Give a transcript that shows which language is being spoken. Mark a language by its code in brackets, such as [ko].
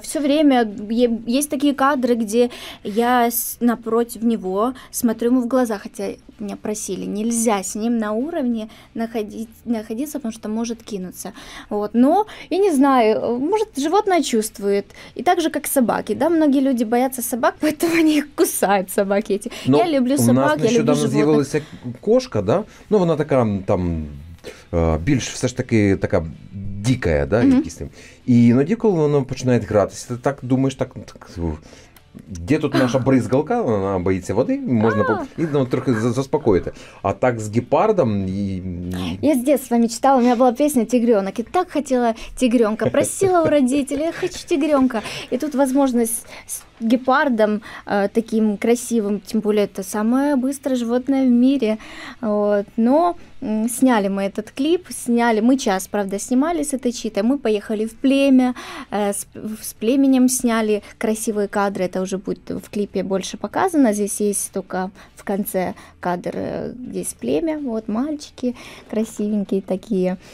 [ru] Все время есть такие кадры, где я напротив него смотрю ему в глаза, хотя меня просили, нельзя с ним на уровне находиться, потому что может кинуться. Вот, но я не знаю, может, животное чувствует. И так же, как собаки, да, многие люди боятся собак, поэтому они их кусают, собаки эти. Но я люблю собак, я люблю животных. [uk] У нас нещодавно з'явилась кошка, да, ну, вона така, там, більш все ж таки така дикая, да, якісь. І іноді, коли вона починає гратися, ти так думаєш, так де тут наша бризгалка, вона боїться води, можна трохи заспокоїти. А так з гепардом... Я з дитинства мечтала, у мене була пісня «Тигрёнок», і так хотіла тигрёнка, просила [ru] у родителей, я хочу тигрёнка. [uk] І тут можливість з гепардом таким красивим, тим більше, це [ru] самое быстрое животное в мире. Вот. Но сняли мы этот клип, сняли, мы час, правда, снимали с этой читой, мы поехали в племя, с племенем сняли красивые кадры, это уже будет в клипе больше показано, здесь есть только в конце кадр, здесь племя, вот мальчики красивенькие такие.